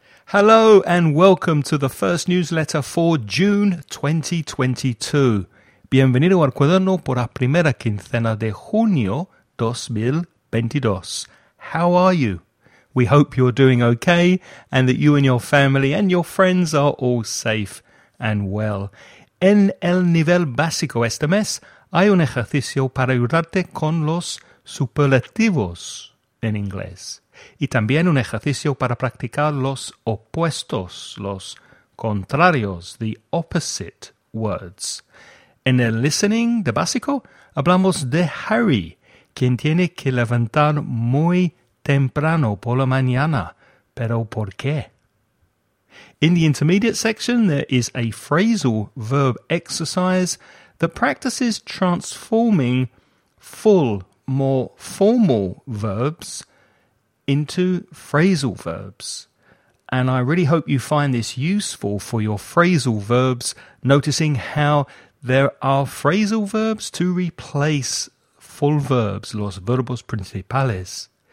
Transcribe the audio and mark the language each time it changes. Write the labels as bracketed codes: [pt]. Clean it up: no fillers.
[en] Hello and welcome to the first newsletter for June 2022. [es] Bienvenido al cuaderno por la primera quincena de junio 2022. [en] How are you? We hope you're doing okay and that you and your family and your friends are all safe and well. [es] En el nivel básico este mes hay un ejercicio para ayudarte con los superlativos en inglés. Y también un ejercicio para practicar los opuestos, los contrarios, [en] the opposite words. [es] En el listening de básico, hablamos de Harry, quien tiene que levantar muy temprano por la mañana. ¿Pero por qué? [en] In the intermediate section, there is a phrasal verb exercise that practices transforming full, more formal verbs into phrasal verbs. And I really hope you find this useful for your phrasal verbs, noticing how there are phrasal verbs to replace full verbs, [es] los verbos principales.